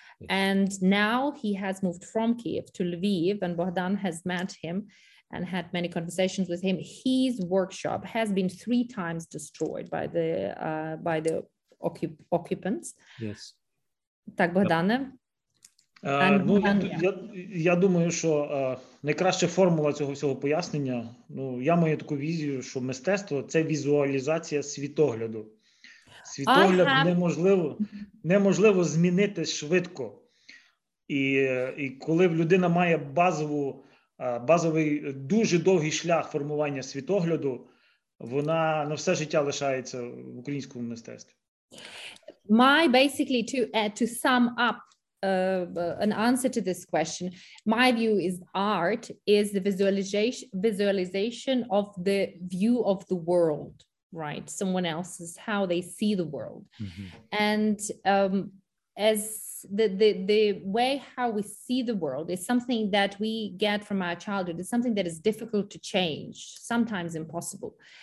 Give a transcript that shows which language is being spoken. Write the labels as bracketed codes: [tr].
[en] And now he has moved from Kiev to Lviv, and Bohdan has met him and had many conversations with him. His workshop has been three times destroyed by the occupants. Yes. [uk] Так, Богдане. Я думаю, що найкраща формула цього всього пояснення, я маю таку візію, що мистецтво – це візуалізація світогляду. Світогляд неможливо змінити швидко. І коли людина має базовий дуже довгий шлях формування світогляду, вона на все життя лишається в українському мистецтві. [en] My basically to sum up an answer to this question, my view is art is the visualization of the view of the world. Right, someone else's, how they see the world. Mm-hmm. And as the way how we see the world is something that we get from our childhood, it's something that is difficult to change, sometimes impossible.